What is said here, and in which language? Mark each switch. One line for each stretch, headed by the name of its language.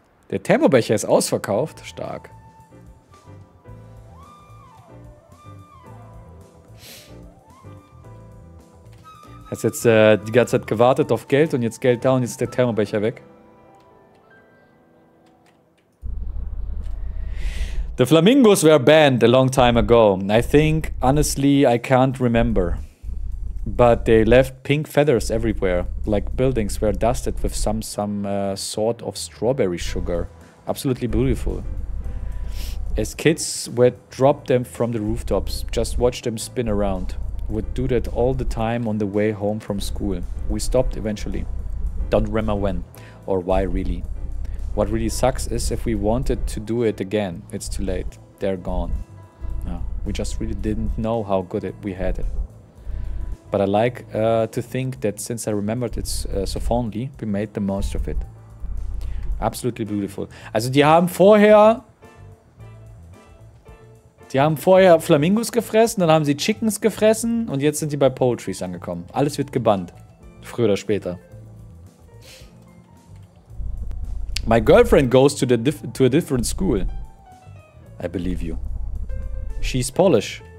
German: Der Thermobecher ist ausverkauft. Stark. Hast jetzt die ganze Zeit gewartet auf Geld und jetzt Geld da und jetzt ist der Thermobecher weg.
English: The flamingos were banned a long time ago. I think, honestly, I can't remember. But they left pink feathers everywhere. Like buildings were dusted with some sort of strawberry sugar. Absolutely beautiful. As kids, we'd drop them from the rooftops. Just watch them spin around. We'd do that all the time on the way home from school. We stopped eventually. Don't remember when or why really. What really sucks is if we wanted to do it again, it's too late. They're gone. No, we just really didn't know how good we had it. But I like to think that since I remembered it so fondly, we made the most of it. Absolutely beautiful.
German: Also die haben vorher Die haben vorher Flamingos gefressen, dann haben sie Chickens gefressen und jetzt sind die bei Poultrys angekommen. Alles wird gebannt. Früher oder später.
English: My girlfriend goes to, to a different school. I believe you. She's Polish.